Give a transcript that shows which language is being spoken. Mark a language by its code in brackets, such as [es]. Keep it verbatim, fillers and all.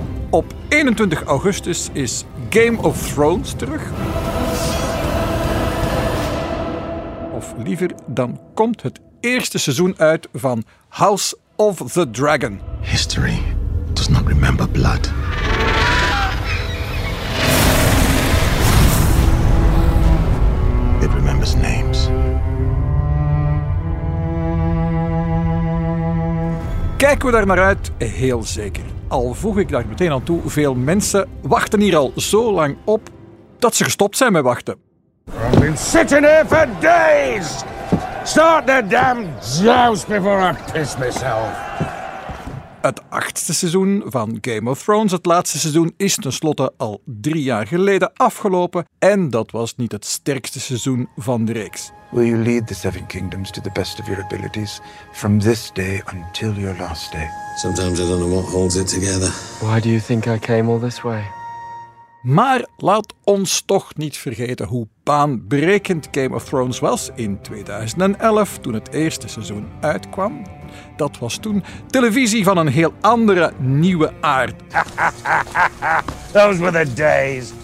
[nl] Op eenentwintig augustus is Game of Thrones terug. Of liever, dan komt het eerste seizoen uit van House of the Dragon. [en] History does not remember blood. It remembers names. [nl] Kijken we daar naar uit? Heel zeker. Al voeg ik daar meteen aan toe, veel mensen wachten hier al zo lang op dat ze gestopt zijn met wachten. [en] I've been sitting here for days! Start the damn joust before I piss myself! [nl] Het achtste seizoen van Game of Thrones, het laatste seizoen, is tenslotte al drie jaar geleden afgelopen en dat was niet het sterkste seizoen van de reeks. [en] Will you lead the Seven Kingdoms to the best of your abilities from this day until your last day? Sometimes I don't know what holds it together. Why do you think I came all this way? [nl] Maar laat ons toch niet vergeten hoe baanbrekend Game of Thrones was in tweeduizend elf, toen het eerste seizoen uitkwam. Dat was toen televisie van een heel andere, nieuwe aard. [en] Those were the days.